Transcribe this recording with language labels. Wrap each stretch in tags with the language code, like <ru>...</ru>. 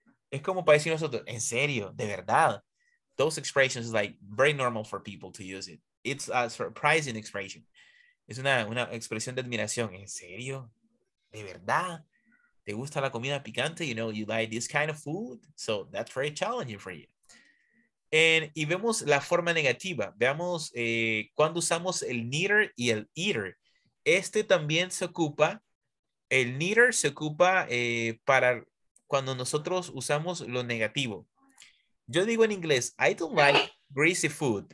<es>Es como para decir nosotros, en serio, de verdad.</es> <en>Those expressions is like very normal for people to use it. It's a surprising expression.</en> <es>Es una expresión de admiración. En serio, de verdad. ¿Te gusta la comida picante?</es> <en>You know, you like this kind of food. So that's very challenging for you.</en> <es>Y vemos la forma negativa. Veamos cuando usamos el neither y el either. Este también se ocupa. El neither se ocupa para... cuando nosotros usamos lo negativo. Yo digo en inglés,</es> <en>I don't like greasy food.</en>